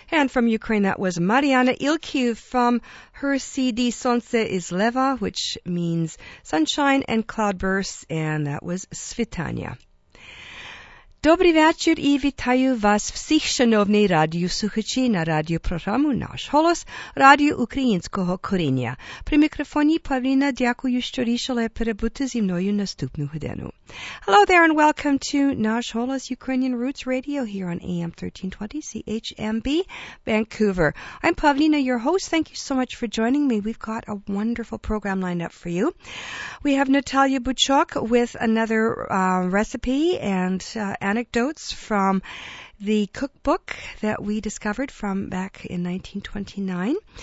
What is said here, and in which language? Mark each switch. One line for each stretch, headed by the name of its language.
English: From Ukraine, that was Mariana Ilkiu from her CD Sonce is Leva, which means sunshine and cloudbursts, and that was Svitania.
Ukrainian: Добрий вечір і вітаю вас всіх, шановні радіослухачі, на радіопрограму «Наш голос» Радіо Українського коріння. При мікрофоні Павліна, дякую, що рішили перебути зі мною наступну годину.
English: Hello there and welcome to «Наш голос» Ukrainian Roots Radio here on AM 1320 CHMB Vancouver. I'm Павліна, your host. Thank you so much for joining me. We've got a wonderful program lined up for you. We have Natalia Buchok with another recipe and anecdotes from the cookbook that we discovered from back in 1929.